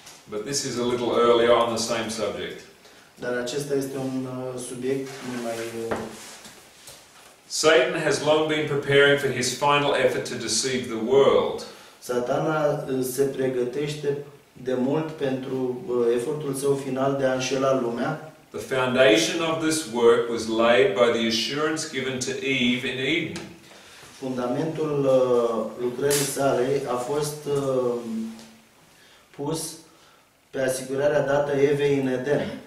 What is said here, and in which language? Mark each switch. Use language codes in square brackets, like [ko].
[en] But this is a little earlier on the same subject. [ro] Dar acesta este un subiect mai [en] Satan has long been preparing for his final effort to deceive the world. [ro] Satana se pregătește de mult pentru efortul său final de a înșela lumea. [en] The foundation of this work was laid by the assurance given to Eve in Eden. [ro] Fundamentul lucrării sale a fost pus pe asigurarea dată Evei în Eden.